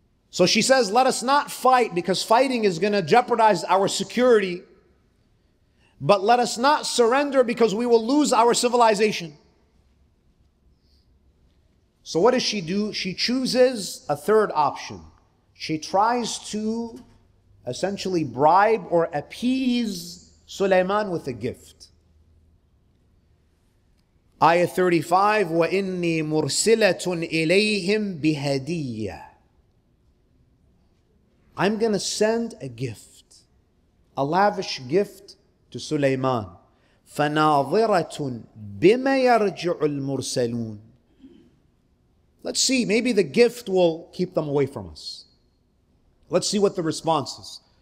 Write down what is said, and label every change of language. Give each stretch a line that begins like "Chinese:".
English: So she says, let us not fight because fighting is going to jeopardize our security, but let us not surrender because we will lose our civilization. So what does she do? She chooses a third option. She tries to essentially bribe or appease Sulaiman with a gift.
Arabic: Ayah 35, وَإِنِّي مُرْسِلَةٌ إِلَيْهِمْ بِهَدِيَّةٍ.
English: I'm going to send a gift, a lavish gift to Sulaiman.
Arabic: فَنَاظِرَةٌ بِمَا يَرْجِعُ الْمُرْسَلُونَ.
English: Let's see, maybe the gift will keep them away from us. Let's see what the response is.